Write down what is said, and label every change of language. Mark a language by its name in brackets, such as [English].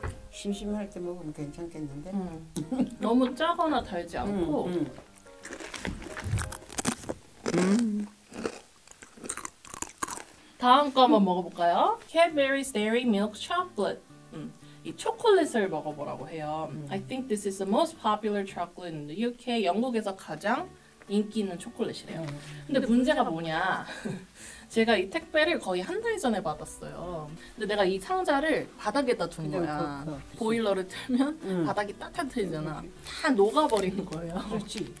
[Korean] 심심할 때 먹으면 괜찮겠는데? 너무 짜거나 달지 않고 다음 거 한번 먹어볼까요? [English] Cadbury's Dairy Milk Chocolate. [Korean] 이 초콜릿을 먹어보라고 해요. [English] I think this is the most popular chocolate in the UK. [Korean] 영국에서 가장 인기 있는 초콜릿이래요. 근데 문제가 뭐냐? 제가 이 택배를 거의 한 달 전에 받았어요. 근데 내가 이 상자를 바닥에다 둔 거야. 보일러를 틀면 바닥이 따뜻해지잖아. 다 녹아버린 거예요. 그렇지.